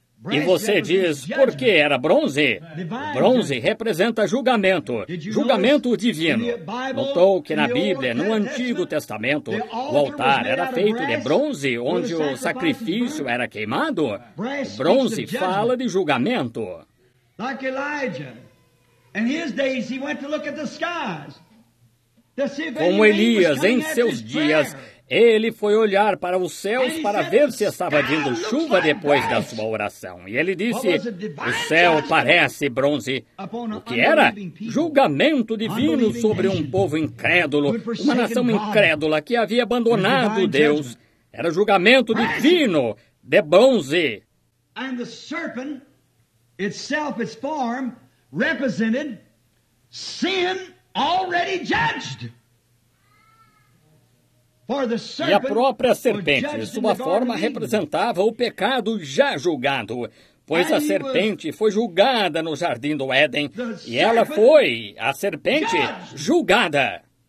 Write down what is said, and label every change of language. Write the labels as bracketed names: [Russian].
[Portuguese] E você diz, por que era bronze? O bronze representa julgamento, julgamento divino. Notou que na Bíblia, no Antigo Testamento, o altar era feito de bronze, onde o sacrifício era queimado? O bronze fala de julgamento. Como Elijah. [English] In his days, he went to look at the skies. [Portuguese] Como Elias, em seus dias, ele foi olhar para os céus para ver se estava vindo chuva depois da sua oração. E ele disse, o céu parece bronze. O que era? Julgamento divino sobre um povo incrédulo, uma nação incrédula que havia abandonado Deus. Era julgamento divino de bronze. [English] And the serpent itself, its form, represented sin already judged. [Portuguese] E a própria serpente, sua forma, representava o pecado já julgado, pois a serpente foi julgada no Jardim do Éden, e ela foi, a serpente, julgada.